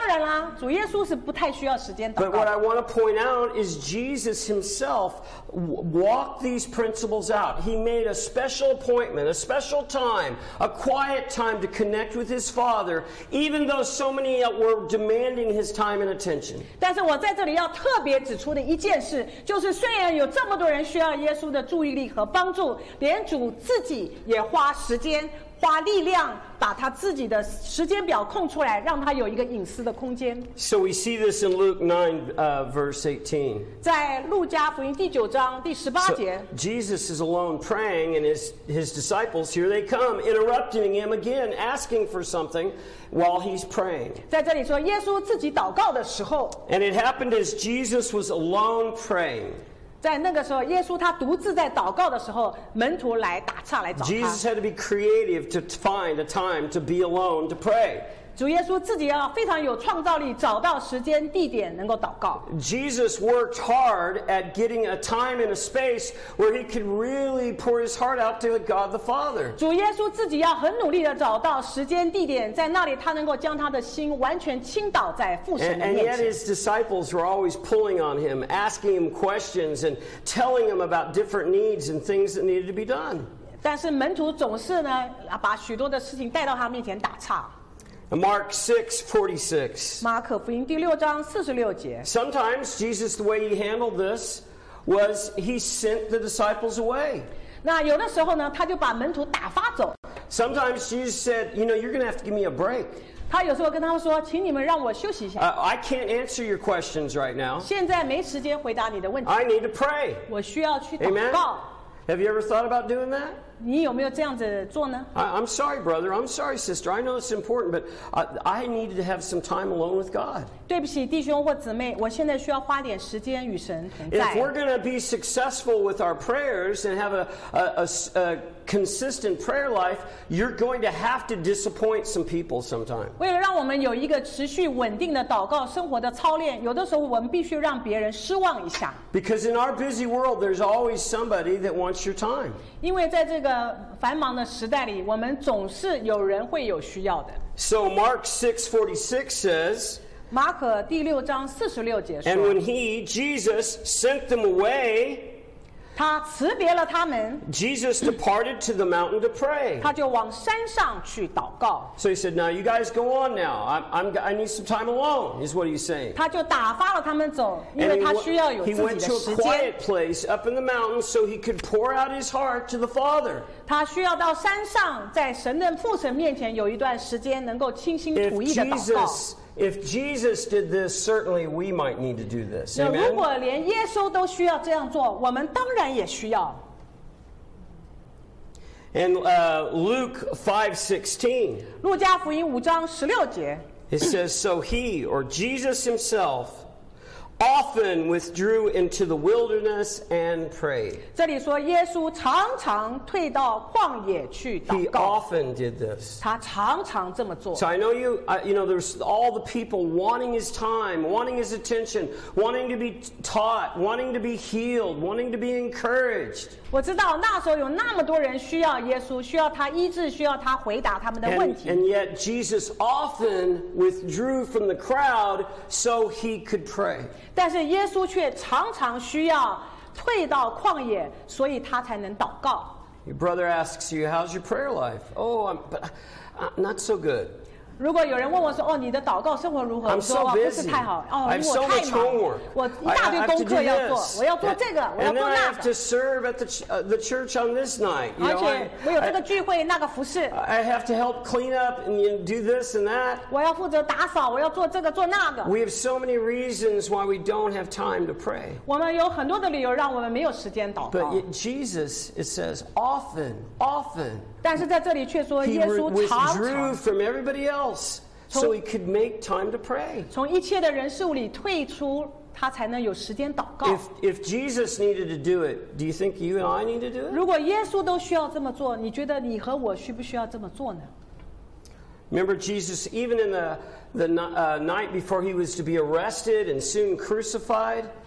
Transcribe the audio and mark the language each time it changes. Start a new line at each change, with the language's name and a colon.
Chinese: 当然你会争议说当然啦主耶稣是不太需要时间祷告。
English: But what I want to point out is Jesus himself walked these principles out. He made a special appointment, a special time, a quiet time to connect with his Father, even though so many were demanding his time and attention.
Chinese: 但是我在这里要特别指出的一件事, 就是虽然有这么多人需要耶稣的注意力和帮助, 连主自己也花时间, 花力量, 把他自己的时间表空出来, 让他有一个隐私的空间。
English: So we see this in Luke 9, verse 18.
Chinese: 在路加福音第九章第十八节,
English: so Jesus is alone praying, and his disciples, here they come, interrupting him again, asking for something while he's praying.
Chinese: 在这里说耶稣自己祷告的时候,
English: and it happened as Jesus was alone praying.
Chinese: 在那个时候耶稣他独自在祷告的时候, 门徒来打岔来找他。
English: Jesus had to be creative to find a time to be alone to pray.
Chinese: 主耶稣自己要非常有创造力, 找到时间地点能够祷告。
English: Jesus worked hard at getting a time and a space where he could really pour his heart out to God the Father.
Chinese: 主耶稣自己要很努力地找到时间地点, 在那里他能够将他的心完全倾倒在父神的面前。
English: And yet his disciples were always pulling on him, asking him questions and telling him about different needs and things that needed to be done.
Chinese: 但是门徒总是呢, 把许多的事情带到他面前打岔。
English: Mark 6:46. Sometimes Jesus, the way he handled this, was he sent the disciples away.
Chinese: 那有的时候呢，他就把门徒打发走。
English: Sometimes Jesus said, you know, you're going to have to give me a break.
Chinese: 他有时候跟他们说，请你们让我休息一下。
English: I can't answer your questions right now.
Chinese: 现在没时间回答你的问题。
English: I need to pray.
Chinese: 我需要去祷告。
English: Have you ever thought about doing that?
Chinese: 你有没有这样子做呢？
English: I'm sorry, brother. I'm sorry, sister. I know it's important, but I needed to have some time alone with God.
Chinese: 对不起，弟兄或姊妹，我现在需要花点时间与神同在。
English: If we're going to be successful with our prayers and have a consistent prayer life, you're going to have to disappoint some people sometime.
Chinese: 为了让我们有一个持续稳定的祷告生活的操练，有的时候我们必须让别人失望一下。
English: Because in our busy world, there's always somebody that wants your time.
Chinese: 因为在这个繁忙的时代里，我们总是有人会有需要的。
English: So Mark 6:46 says,
Chinese: 马可第六章四十六节说，
English: And when he, Jesus, sent them away,
Chinese: 他辞别了他们。
English: Jesus departed to the mountain to pray.
Chinese: 他就往山上去祷告。
English: So he said, "Now you guys go on now. I need some time alone." Is what he's saying.
Chinese: 他就打发了他们走，因为他需要有自己的时间。
English: He went to a quiet place up in the mountain so he could pour out his heart to the Father.
Chinese: 他需要到山上，在神的父神面前有一段时间，能够倾心吐意的祷告。
English: If Jesus did this, certainly we might need to do this.
Chinese: 那如果连耶稣都需要这样做，我们当然也需要。
English: And Luke 5:16.
Chinese: 路加福音五章十六节。
English: It says, "So he, or Jesus himself, often withdrew into the wilderness and prayed."
Chinese: 这里说耶稣常常退到旷野去祷告。
English: He often did this.
Chinese: 他常常这么做。
English: So I know you know, there's all the people wanting his time, wanting his attention, wanting to be taught, wanting to be healed, wanting to be encouraged.
Chinese: 我知道那时候有那么多人需要耶稣，需要他医治，需要他回答他们的问题。
English: And yet Jesus often withdrew from the crowd so he could pray.
Chinese: 但是耶稣却常常需要退到旷野，所以他才能祷告。
English: Your brother asks you, "How's your prayer life?" Oh, I'm not so good.
Chinese: 如果有人问我说，哦，你的祷告生活如何？我说，哦，不是太好。哦，因为我太忙。
English: I have so much homework.
Chinese: 我一大堆工作要做，我要做这个，我要做那个。
English: And then I have to serve at the church on this night.
Chinese: 而且我有这个聚会，那个服事。
English: I have to help clean up and do this and that.
Chinese: 我要负责打扫，我要做这个做那个。
English: We have so many reasons why we don't have time to pray.
Chinese: 我们有很多的理由让我们没有时间祷告。
English: But Jesus, it says, often, often.
Chinese: 但是在这里却说耶稣常常
English: He withdrew from everybody else so he could make time to pray.
Chinese: 从一切的人事物里退出，他才能有时间祷告。
English: If Jesus needed to do it, do you think you and I need to do it?
Chinese: 如果耶稣都需要这么做，你觉得你和我需不需要这么做呢？
English: Remember Jesus, even in the night before he was to be arrested and soon crucified,